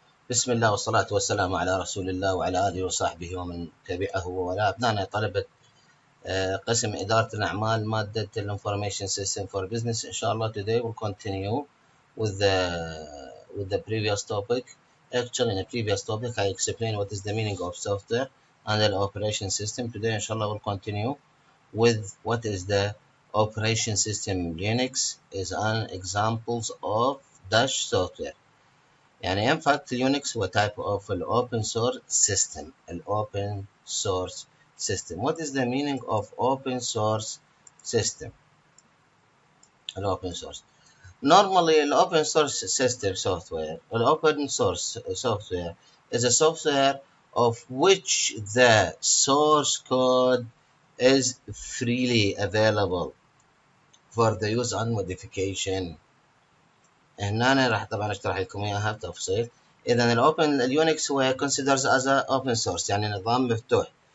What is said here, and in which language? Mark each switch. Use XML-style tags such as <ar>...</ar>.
<ar>بسم الله والصلاة والسلام على رسول الله وعلى آله وصحبه ومن تبعه ووالاه. أبنائنا طلبة قسم إدارة الأعمال مادة الـ Information System for Business. إن شاء الله</ar> <en>today we'll continue with the previous topic. Actually in the previous topic I explained what is the meaning of software and the operation system. Today</en> <ar>إن شاء الله</ar> <en>we'll continue with what is the operation system. Linux is an examples of dash software.</en> <ar>يعني</ar> <en>in fact Unix</en> <ar>هو</ar> <en>type of an open source system. An open source system. What is the meaning of open source system? An open source. Normally an open source system software. An open source software is a software of which the source code is freely available for the use and modification.</en> <ar>هنا راح طبعا اشرح لكم اياها بتفصيل. اذا الاوبن اليونكس هو</ar> <en>considers as a open source</en> <ar>يعني نظام مفتوح.</ar>